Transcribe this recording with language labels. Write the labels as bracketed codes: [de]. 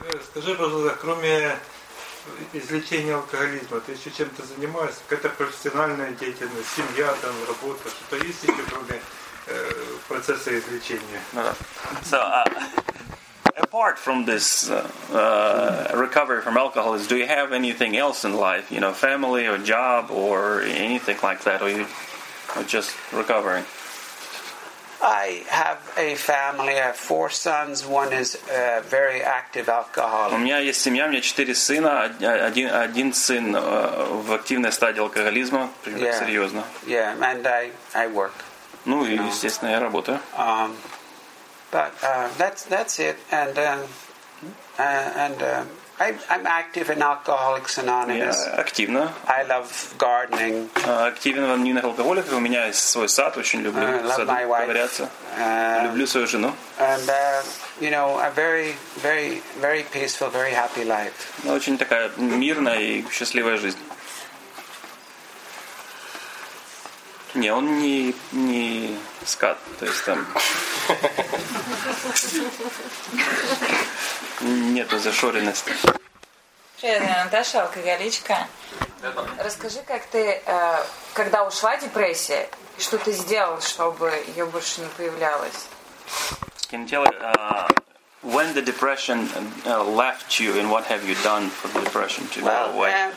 [ru] Скажи, пожалуйста, кроме излечения алкоголизма, ты еще чем-то занимаешься? Какая-то профессиональная деятельность, семья, там, работа, что-то есть еще кроме процесса излечения? [en] So, apart from this recovery from alcoholism, do you have anything else in life? You know, family or job or anything like that? Or you're just recovering? I have a family. I have 4 sons. One is a very active alcoholic. [ru] У меня есть семья. У меня 4 сына. Один сын в активной стадии алкоголизма. Примерно серьезно. [en] Yeah, and I work. [ru] Ну и естественно я работаю. [en] But that's it. And I'm active in Alcoholics Anonymous. [ru] Я активно. [en] I love gardening. [ru] Активен в анонимных алкоголиках. У меня есть свой сад, очень люблю ковыряться. Люблю свою жену. [en] And you know, a very, very, very peaceful, very happy life. [ru] Очень такая мирная и счастливая жизнь. Не, он не скат, то есть там. Нету зашоренности. Привет, Наташа, алкоголичка. Расскажи, как ты, когда ушла депрессия, что ты сделал, чтобы ее больше не появлялось? [en] Can you tell when the depression left you and what have you done for the depression to go away?